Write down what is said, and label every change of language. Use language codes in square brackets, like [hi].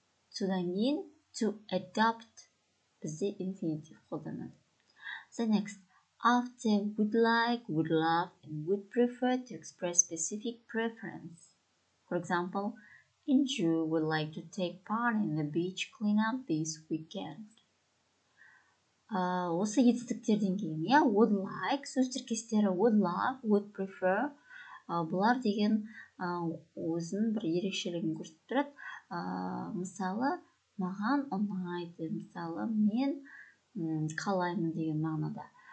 [kk] Содан кейін, to adopt, бізде infinitive қолданады. [en] The next, after would like, would love, and would prefer to express specific preference. For example, Inju would like to take part in the beach cleanup this weekend. [kk] Осы етістіктерден кейін, иә, [en] would like, [kk] сөз тіркестері [en] would love, would prefer, [kk] бұлар деген өзін бір ерекшелігін көрсетіп, мысалы, маған ұнайды, мысалы, мен қалаймын деген мағынада.